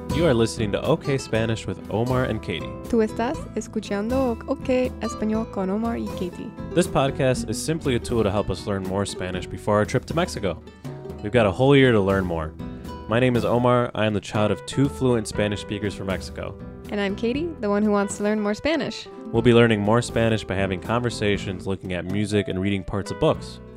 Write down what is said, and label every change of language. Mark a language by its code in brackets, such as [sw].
[en] You are listening to OK Spanish with Omar and Katie. [es] Tú estás escuchando OK Español con Omar y Katie. [en] This podcast is simply a tool to help us learn more Spanish before our trip to Mexico. We've got a whole year to learn more. My name is Omar. I am the child of two fluent Spanish speakers from Mexico. And I'm Katie, the one who wants to learn more Spanish. We'll be learning more Spanish by having conversations, looking at music, and reading parts of books.